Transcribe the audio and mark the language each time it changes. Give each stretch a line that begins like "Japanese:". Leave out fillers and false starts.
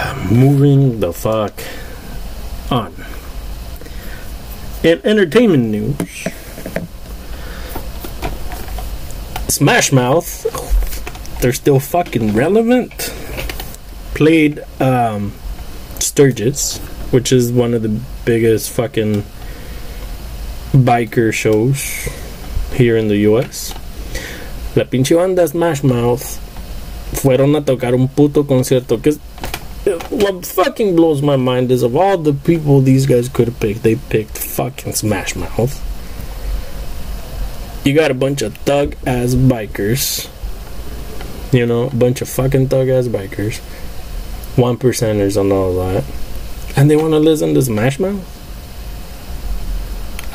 English: Moving the fuck on. In entertainment news, Smash Mouth, they're still fucking relevant, played Sturgis, which is one of the biggest fucking biker shows here in the US.
Spanish: La pinche banda Smash Mouth fueron a tocar un puto concierto que es
English: What fucking blows my mind is of all the people these guys could have picked, they picked fucking Smash Mouth. You got a bunch of thug ass bikers. You know, a bunch of fucking thug ass bikers. 1%ers on all that. And they want to listen to Smash Mouth?